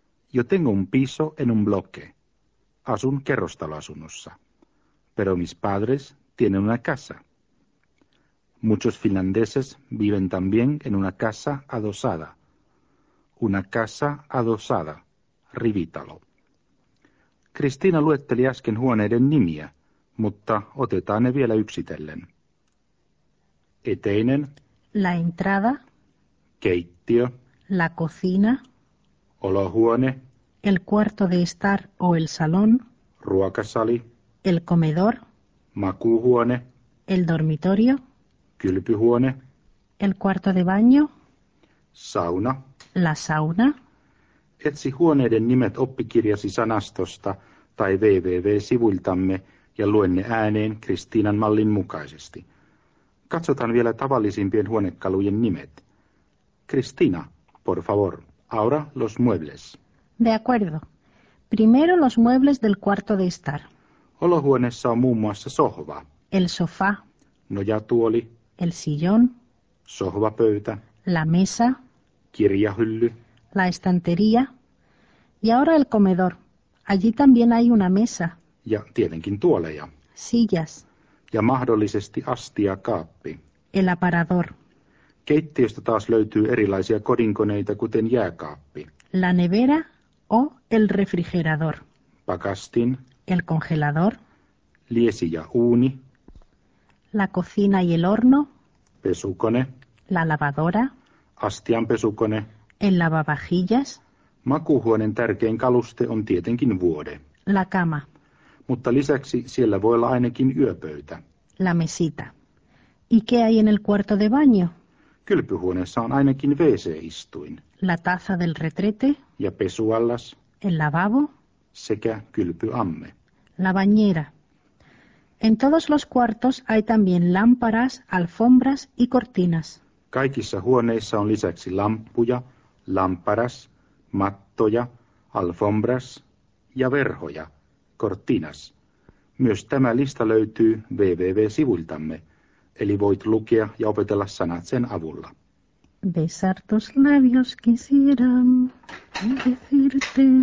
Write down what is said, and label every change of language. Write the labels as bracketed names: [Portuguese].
[Spanish] Yo tengo un piso en un bloque. [Finnish] Asun kerrostaloasunnossa. [Spanish] Pero mis padres tienen una casa. Muchos finlandeses viven también en una casa adosada. Una casa adosada, rivitalo. [Finnish] Cristina luetteli äsken huoneiden nimiä, mutta otetaan ne vielä yksitellen. Eteinen. [Spanish] La entrada. [Finnish] Keittiö. [Spanish] La cocina. [Finnish] Olohuone. [Spanish] El cuarto de estar o el salón. [Finnish] Ruokasali. [Spanish] El comedor. [Finnish] Makuuhuone. [Spanish] El dormitorio. [Finnish] Kylpyhuone. [Spanish] El cuarto de baño. [Finnish] Sauna. [Spanish] La sauna. [Finnish] Etsi huoneiden nimet oppikirjasi sanastosta tai www-sivuiltamme ja luen ne ääneen Kristiinan mallin mukaisesti. Katsotaan vielä tavallisimpien huonekalujen nimet. [Spanish] Cristina, por favor, ahora los muebles. De acuerdo. Primero los muebles del cuarto de estar. [Finnish] Olohuoneessa on muun muassa sohva. [Spanish] El sofá. [Finnish] Nojatuoli. [Spanish] El sillón. [Finnish] Sohvapöytä. [Spanish] La mesa. [Finnish] Kirjahylly. [Spanish] La estantería. Y ahora el comedor. Allí también hay una mesa. [Finnish] Ja tietenkin tuoleja. [Spanish] Sillas. [Finnish] Ja mahdollisesti astia kaappi. [Spanish] El aparador. [Finnish] Keittiöstä taas löytyy erilaisia kodinkoneita, kuten jääkaappi. [Spanish] La nevera o el refrigerador. [Finnish] Pakastin. [Spanish] El congelador. [Finnish] Liesi ja uuni. [Spanish] La cocina y el horno. [Finnish] Pesukone. [Spanish] La lavadora. [Finnish] Astianpesukone. [Spanish] El lavavajillas. [Finnish] Makuuhuoneen tärkein kaluste on tietenkin vuode. [Spanish] La cama. [Finnish] Mutta lisäksi siellä voi olla ainakin yöpöytä. [Spanish] La mesita. ¿Y qué hay en el cuarto de baño? [Finnish] Kylpyhuoneessa on ainakin WC-istuin. [Spanish] La taza del retrete. [Finnish] Ja pesuallas. [Spanish] El lavabo. [Finnish] Sekä kylpyamme. [Spanish] La bañera. En todos los cuartos hay también lámparas, alfombras y cortinas. [Finnish] Kaikissa huoneissa on lisäksi lamppuja, lámparas, mattoja, alfombras ja verhoja, cortinas. Myös tämä lista löytyy www-sivuiltamme, eli voit lukea ja opetella sanat sen avulla. [Spanish] Besar tus labios quisiera decirte.